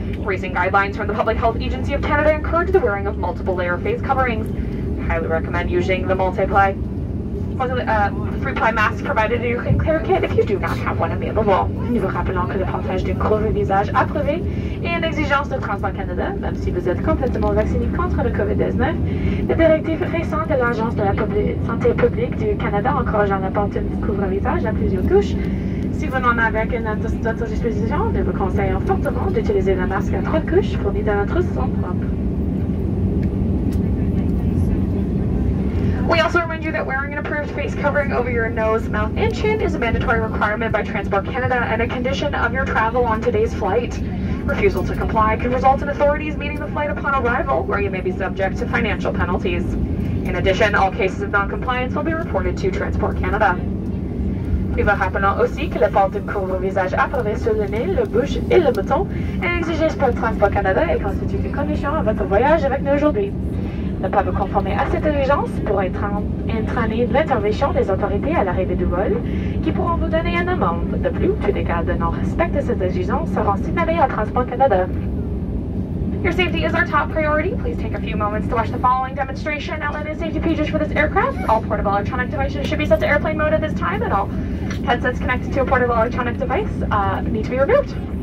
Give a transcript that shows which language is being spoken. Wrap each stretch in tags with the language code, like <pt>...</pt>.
<en>Recent guidelines from the Public Health Agency of Canada encourage the wearing of multiple layer face coverings. I highly recommend using the multi-ply, three-ply mask provided in your clear kit if you do not have one available.</en> <fr>Nous vous rappelons que le portage du couvre visage approuvé est une exigence de Transport Canada, même si vous êtes complètement vacciné contre le COVID-19. Les directives récentes de l'Agence de la santé publique du Canada encouragent à porter un couvre-visage à plusieurs couches. Si vous n'en avez qu'une à votre disposition, nous vous conseillons fortement d'utiliser le masque à trois couches fourni dans notre salon propre.</fr> <en>We also remind you that wearing an approved face covering over your nose, mouth, and chin is a mandatory requirement by Transport Canada and a condition of your travel on today's flight. Refusal to comply can result in authorities meeting the flight upon arrival, where you may be subject to financial penalties. In addition, all cases of non-compliance will be reported to Transport Canada.</en> <fr>Nous vous rappelons aussi que le port du couvre-visage approuvé sur le nez, la bouche et le bouton est exigé par Transport Canada et constitue une condition à votre voyage avec nous aujourd'hui. Ne pas vous conformer à cette exigence pourrait entraîner l'intervention des autorités à l'arrivée du vol, qui pourront vous donner une amende. De plus, tous les cas de non-respect de cette exigence seront signalés à Transport Canada.</fr> <en>Your safety is our top priority. Please take a few moments to watch the following demonstration outlining safety features for this aircraft. All portable electronic devices should be set to airplane mode at this time, and all headsets connected to a portable electronic device need to be removed.</en>